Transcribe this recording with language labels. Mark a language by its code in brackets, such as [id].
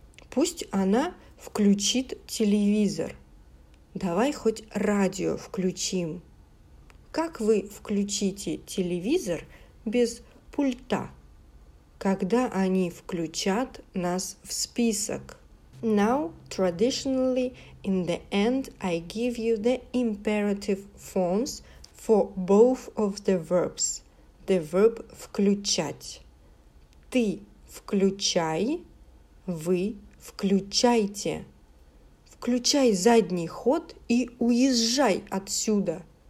[ru] Пусть она включит телевизор. Давай хоть радио включим. Как вы включите телевизор без пульта? Когда они включат нас в список? [en] Now, traditionally, in the end, I give you the imperative forms for both of the verbs. The verb включать. [ru] Ты включай, вы включайте. Включай задний ход и уезжай отсюда.